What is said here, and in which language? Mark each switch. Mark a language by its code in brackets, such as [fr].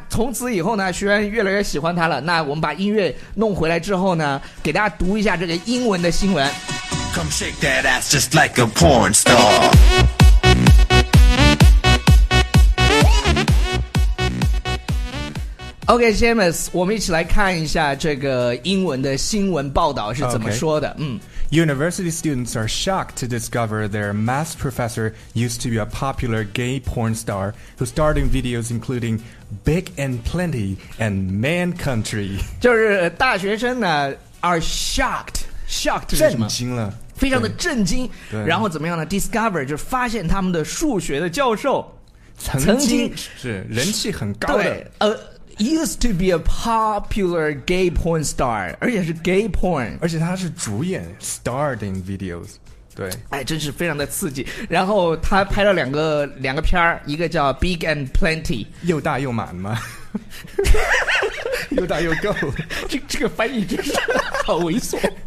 [zh] 从此以后呢，学员越来越喜欢他了。那我们把音乐弄回来之后呢，给大家读一下这个英文的新闻。 [en] Come shake that ass just like a porn star. [zh] OK Seamus， 我们一起来看一下这个英文的新闻报道是怎么说的、 [en] okay. University students are shocked to discover their math professor used to be a popular gay porn star who starred in videos including Big and Plenty and Man Country. [zh] 就是大学生呢 [en] are shocked. Shocked [zh] 是什么？震惊了。非常的震惊。然后怎么样呢？ Discover 就是发现他们的数学的教授曾经是人气很高的。 [en] 对used to be a popular gay porn star， [zh] 而且是 [en] gay porn， [zh] 而且他是主演 [en] starred in videos， [zh] 对，哎，真是非常的刺激。然后他拍了两个片儿，一个叫 Big and Plenty，又大又满吗？又大又够，这个翻译真是好猥琐。